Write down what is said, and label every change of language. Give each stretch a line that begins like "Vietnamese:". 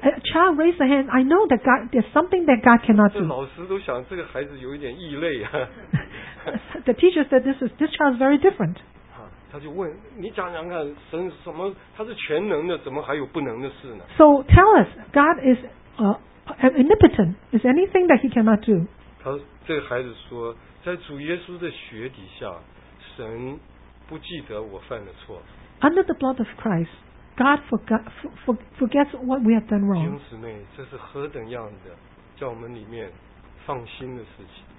English: A child raised a hand. I know that God, there's something that God cannot do.
Chinese: 这老师都想这个孩子有一点异类啊。
English: The teacher said this child is very different.
Chinese: 他就问你讲讲看神什么？他是全能的，怎么还有不能的事呢
English: ？So tell us, God is omnipotent. Is anything that He cannot do?
Chinese: 他这个孩子说，在主耶稣的血底下，神不记得我犯的错。
English: Under the blood of Christ, God forgets what we have done wrong.
Chinese: 弟兄姊妹，这是何等样的，叫我们里面放心的事情。